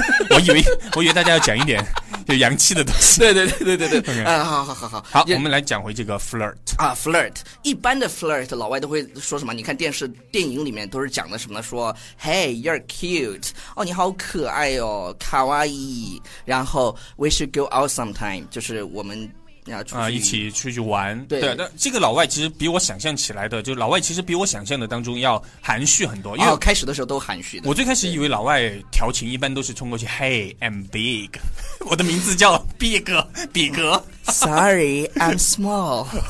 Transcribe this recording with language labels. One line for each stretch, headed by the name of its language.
Chinese: 就是我以为大家要讲一点有洋气的东西。对对对对对对。
English: Okay.
Chinese: 好，我们来讲回这个 flirt 啊 ，flirt 一般的 flirt 老外都会说什么？你看电影里面都是讲的什么？说
English: Hey you're cute，
Chinese: 哦你好可爱哦，卡哇伊。然后
English: We should go out sometime，
Chinese: 就是我们要出去一起出去玩。对，那这个老外其实比我想象起来的，就老外其实比我想象的当中要含蓄很多。因为、哦、开始的时候都含蓄的。我最开始以为老外调情一般都是冲过去 ，
English: Hey I'm big，
Chinese: 我的名字叫 Big 比格。
English: Sorry I'm small，